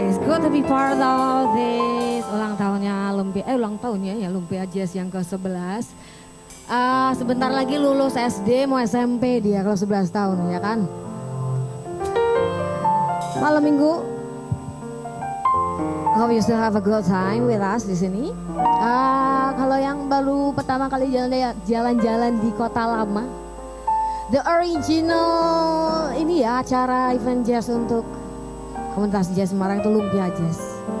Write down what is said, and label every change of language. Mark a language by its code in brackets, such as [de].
[en] Good to be part of this [id] ulang tahunnya [en] Lumpia Jazz [id] yang ke-11. Sebentar lagi lulus SD mau SMP dia kalau 11 tahun ya kan. Malam Minggu. [en] Hope you still have a good time with us [id] di sini. Kalau yang baru pertama kali jalan-jalan di kota lama, [en] the original [id] ini ya acara event jazz untuk komunitas jazz Semarang itu Lumpia Jazz.